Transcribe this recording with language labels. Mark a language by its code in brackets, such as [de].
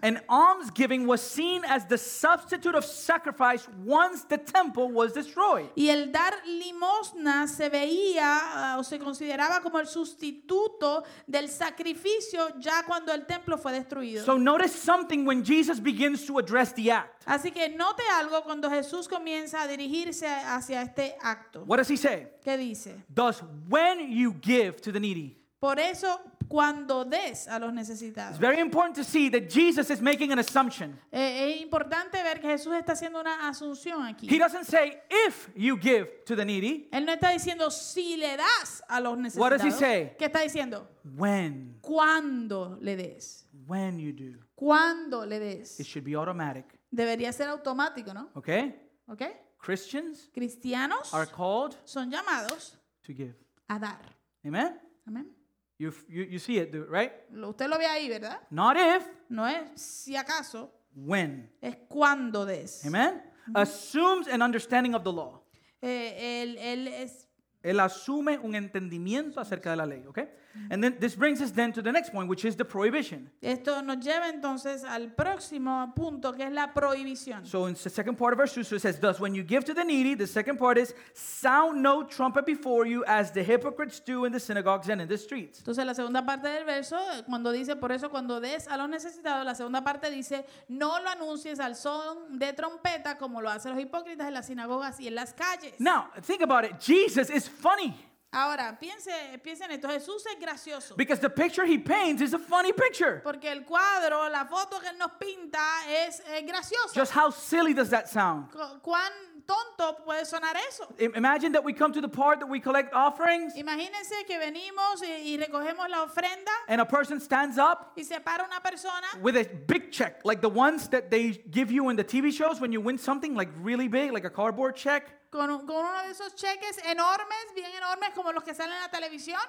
[en] And almsgiving was seen as the substitute of sacrifice once the temple was destroyed. [es] Y el dar limosna se veía o se consideraba como el sustituto del sacrificio ya cuando el templo fue destruido. [en] So notice something when Jesus begins to address the act. [es] Así que note algo cuando Jesús comienza a dirigirse hacia este acto. [en] What does he say? [es] ¿Qué dice? [en] Thus, when you give to the needy. [es] Por eso, cuando des a los necesitados. [en] It's very important to see that Jesus is making an assumption. [es] Es importante ver que Jesús está haciendo una asunción aquí. [en] He doesn't say, if you give to the needy. [es] Él no está diciendo, si le das a los necesitados. [en] What does he say? [es] ¿Qué está diciendo? [en] When. [es] Cuando le des. [en] When you do. [es] Cuando le des. [en] It should be automatic. [es] Debería ser automático, ¿no? Okay. Okay. [en] Christians, [es] cristianos, [en] are called, [es] son llamados, [en] to give, [es] a dar. Amen. Amen. [en] You see it, right? [es] Usted lo ve ahí, ¿verdad? [en] Not if. [es] No es si acaso. [en] When. [es] Es cuando des. [en] Amen. Assumes an understanding of the law. [es] Él es Él asume un entendimiento acerca de la ley, ¿okay? [en] And then this brings us then to the next point, which is the prohibition. [es] Esto nos lleva entonces al próximo punto, que es la prohibición. [en] So in the second part of verse 2, so it says, thus when you give to the needy, the second part is, sound no trumpet before you as the hypocrites do in the synagogues and in the streets. [es] Entonces la segunda parte del verso, cuando dice, por eso cuando des a los necesitados, la segunda parte dice, no lo anuncies al son de trompeta como lo hacen los hipócritas en las sinagogas y en las calles. [en] Now, think about it. Jesus is funny. [es] Ahora, piense en esto. Jesús es gracioso. [en] Because the picture he paints is a funny picture. [es] Porque el cuadro, la foto que él nos pinta es gracioso. [en] Just how silly does that sound? [es] ¿Cuán tonto puede sonar eso? [en] Imagine that we come to the part that we collect offerings. [es] Imagínense que venimos y recogemos la ofrenda. [en] And a person stands up. [es] Y se para una persona. [en] With a big check, like the ones that they give you in the TV shows when you win something, like really big, like a cardboard check. [es] Con uno de esos cheques enormes, bien enormes, como los que salen en la televisión.